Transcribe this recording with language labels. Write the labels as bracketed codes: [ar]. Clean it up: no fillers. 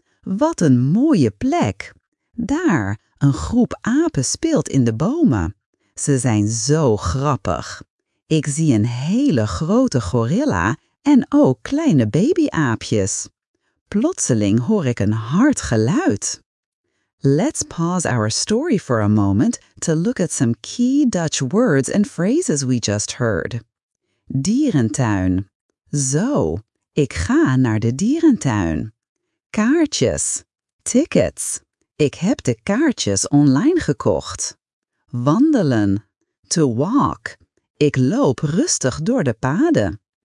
[nl] Wat een mooie plek. Daar, een groep apen speelt in de bomen. Ze zijn zo grappig. Ik zie een hele grote gorilla en ook kleine babyaapjes. Plotseling hoor ik een hard geluid. [en] Let's pause our story for a moment to look at some key Dutch words and phrases we just heard. [nl] Dierentuin. Zo, ik ga naar de dierentuin. Kaartjes. [en] Tickets. [nl] Ik heb de kaartjes online gekocht. Wandelen. [en] To walk. [nl] Ik loop rustig door de paden.